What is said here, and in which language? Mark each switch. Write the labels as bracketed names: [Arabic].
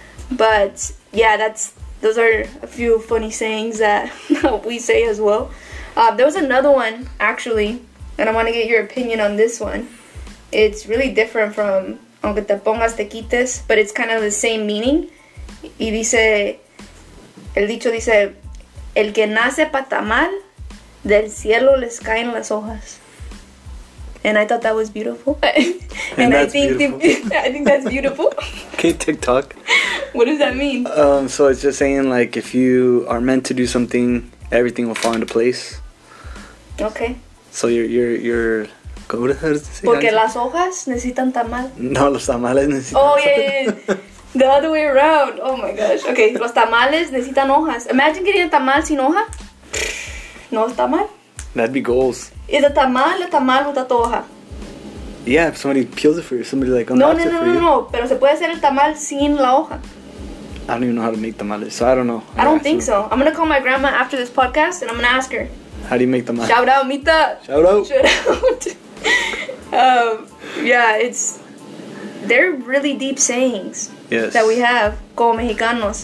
[English] But yeah, those are a few funny sayings that we say as well. There was another one, actually, and I want to get your opinion on this one. It's really different from [Spanish] aunque te pongas te quites, [English] but it's kind of the same meaning. [Spanish] Y dice, el dicho dice, el que nace patamal, del cielo les caen las hojas. [English] And I thought that was beautiful. And that's beautiful. I think that's beautiful. Okay, TikTok. What does that mean? So it's just saying, like, if you are meant to do something, everything will fall into place. Okay. So you're ¿cómo does it say? [Spanish] Porque las hojas necesitan tamal. No, los tamales necesitan. [English] Oh, yeah. The other way around. Oh my gosh. [Spanish] Okay, los tamales necesitan hojas. [English] Imagine getting a tamal [Spanish] sin hoja. No está mal. [English] That'd be goals. Is a tamal without hoja? Yeah, if somebody peels it for you, somebody like unwraps it for you. No. [Spanish] Pero se puede hacer el tamal sin la hoja. [English] I don't even know how to make tamales, so I don't know. I don't think so. I'm gonna call my grandma after this podcast and I'm gonna ask her. How do you make tamales? Shout out, Mita. Shout out. yeah, it's. They're really deep sayings. Yes. That we have, [Spanish] como mexicanos.